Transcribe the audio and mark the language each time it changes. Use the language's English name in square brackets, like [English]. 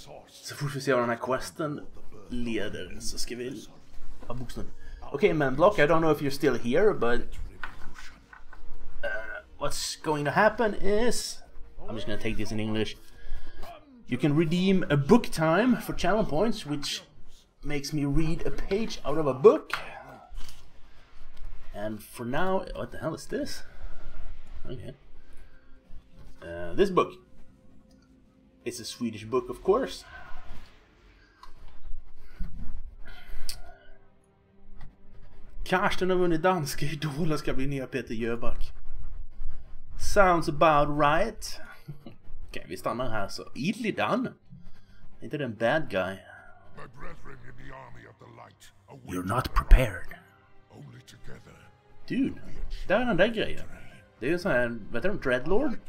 [Swedish] Så fort vi ser vad den här questen leder så ska vi ha bokstund. Okej, men [English] Block, I don't know if you're still here, but what's going to happen is I'm just going to take this in English. You can redeem a book time for channel points, which makes me read a page out of a book. And for now, what the hell is this? Okay. This book. It's a Swedish book, of course. [Swedish] Karsten har vunnit danska idol och ska bli nya Peter Jöback. [English] Sounds about right. [Swedish] Okej, vi stannar här så. Illidan? Är inte den [English] bad guy? My brethren in the army of the light. You're not prepared. Only together. [Swedish] Dude, där är den där grejen. Det är ju sån här, vet du, Dreadlord?